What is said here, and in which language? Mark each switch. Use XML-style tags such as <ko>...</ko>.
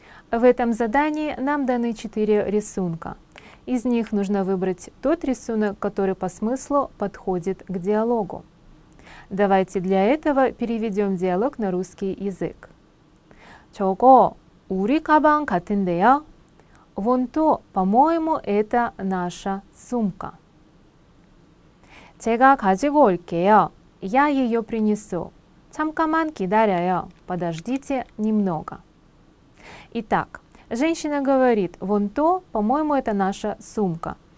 <ru>В этом задании нам даны 4 рисунка. Из них нужно выбрать тот рисунок, который по смыслу подходит к диалогу. Давайте для этого переведем диалог на русский язык.</ru> <ko>저거 우리 가방 같은데요?</ko> <ru>Вон то, по-моему, это наша сумка.</ru> <ko>제가 가지고 올게요.</ko> <ru>Я ее принесу.</ru> <ko>잠깐만 기다려요.</ko> <ru>Подождите немного. Итак, женщина говорит, вон то, по-моему, это наша сумка.</ru>